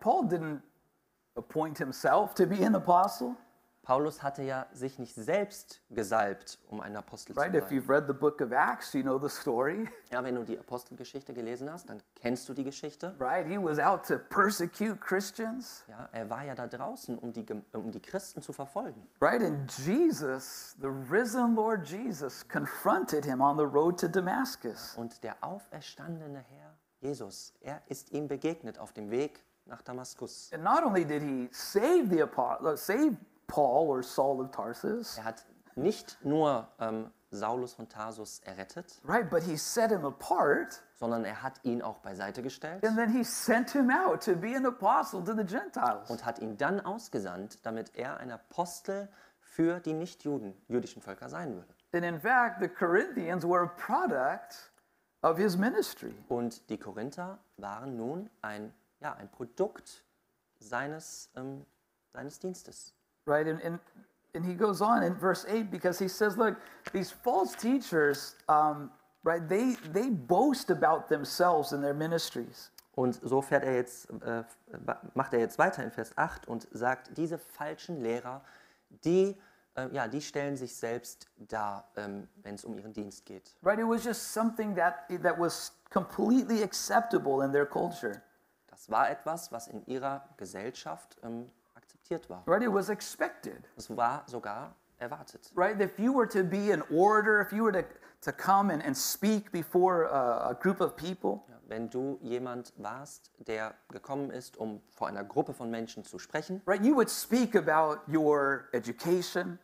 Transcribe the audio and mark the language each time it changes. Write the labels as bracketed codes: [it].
[en] Paul didn't appoint himself to be an apostle. [de] Paulus hatte ja sich nicht selbst gesalbt, um ein Apostel [en] right, [de] zu sein. [en] If you've read the book of Acts, you know the story. [de] Ja, wenn du die Apostelgeschichte gelesen hast, dann kennst du die Geschichte. [en] Right, he was out to persecute Christians. [de] Ja, er war ja da draußen, um die Christen zu verfolgen. [en] Right, and Jesus, the risen Lord Jesus, confronted him on the road to Damascus. [de] Und der auferstandene Herr Jesus, er ist ihm begegnet auf dem Weg nach Damaskus. [en] And not only did he save the apostle, save Paul or Saul of Tarsus. [de] Er hat nicht nur Saulus von Tarsus errettet. [en] Right, but he set him apart. [de] Sondern er hat ihn auch beiseite gestellt. [en] And then he sent him out to be an apostle to the Gentiles. [de] Und hat ihn dann ausgesandt, damit er ein Apostel für die Nichtjuden, jüdischen Völker sein würde. [en] And in fact, the Corinthians were a product of his ministry. [de] Und die Korinther waren nun ein Produkt seines Dienstes. [en] Right, and he goes on in verse 8 because he says, look, these false teachers, right, they boast about themselves and their ministries. [de] Und so fährt er jetzt, macht er jetzt weiter in Vers 8 und sagt, diese falschen Lehrer, die stellen sich selbst dar, wenn es um ihren Dienst geht. [en] Right, it was just something that was completely acceptable in their culture. [de] Das war etwas, was in ihrer Gesellschaft war. [en] Right, it was expected. [de] Es war sogar erwartet. [en] Right, if you were to be in order, if you were to come and speak before a group of people. [de] Ja, wenn du jemand warst, der gekommen ist, um vor einer Gruppe von Menschen zu sprechen. [en] Right, you would speak about your education.